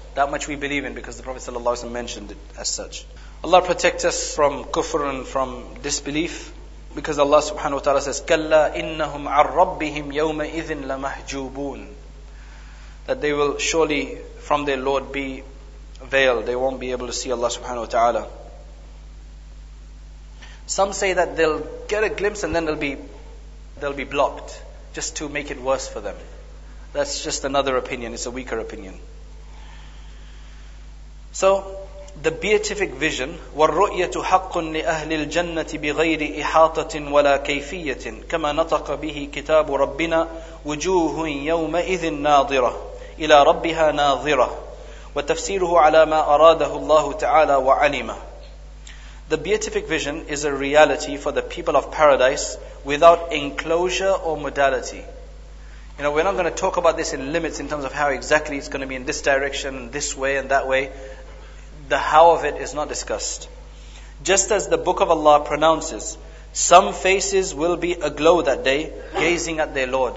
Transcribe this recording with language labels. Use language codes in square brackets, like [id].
[en] That much we believe in because the Prophet sallallahu alaihi wasallam mentioned it as such. Allah protect us from kufr and from disbelief, because Allah subhanahu wa ta'ala says, [ar] كَلَّا إِنَّهُمْ عَنْ رَبِّهِمْ يَوْمَئِذٍ لَمَحْجُوبُونَ, [en] that they will surely from their Lord be veiled. They won't be able to see Allah subhanahu wa ta'ala. Some say that they'll get a glimpse and then they'll be blocked, just to make it worse for them. That's just another opinion, it's a weaker opinion. So, the beatific vision, [ar] وَالرُّؤْيَةُ حَقٌّ لِأَهْلِ الْجَنَّةِ بِغَيْرِ إِحَاطَةٍ وَلَا كَيْفِيَّةٍ كَمَا نَطَقَ بِهِ كِتَابُ رَبِّنَا وُجُوهٌ يَوْمَئِذٍ نَاضِرَةٌ إلى ربها ناظرة وتفسيره على ما أراده الله تعالى وعلمه. [en] The beatific vision is a reality for the people of paradise without enclosure or modality. You know, we're not going to talk about this in limits in terms of how exactly it's going to be in this direction, this way and that way. The how of it is not discussed. Just as the Book of Allah pronounces, some faces will be aglow that day, gazing at their Lord.